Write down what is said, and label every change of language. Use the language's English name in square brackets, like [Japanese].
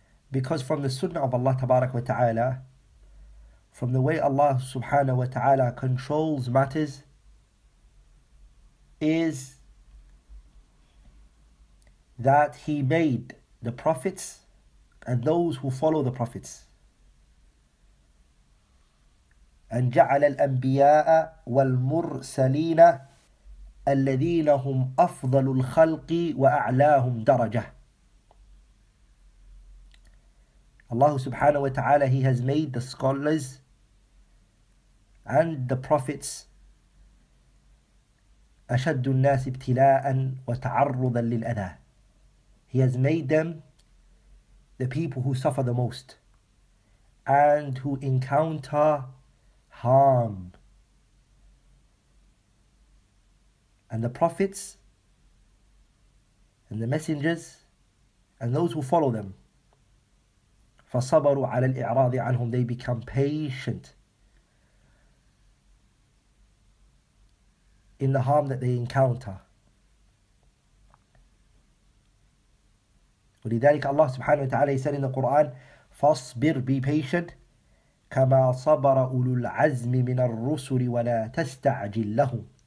[English] Because from the sunnah of Allah tabarak wa ta'ala, from the way Allah subhanahu wa ta'ala controls matters, is that he made the prophets and those who follow the prophets. [Arabic] And جعل الأنبياء والمرسلين الذين هم أفضل الخلق وأعلاهم درجة. [English] Allah subhanahu wa ta'ala, he has made the scholars and the prophets [Arabic] أشد الناس ابتلاء وتعرضا للأذى. [English] He has made them the people who suffer the most and who encounter harm. And the prophets and the messengers and those who follow them, [Arabic] فصبروا على الإعراض عنهم, [English] they become patient in the harm that they encounter. [Arabic] ولذلك الله سبحانه وتعالى [English] said in the Quran, [Arabic] فاصبر, [English] be patient, [Arabic] كما صبر أولو العزم من الرسل ولا تستعجل لهم.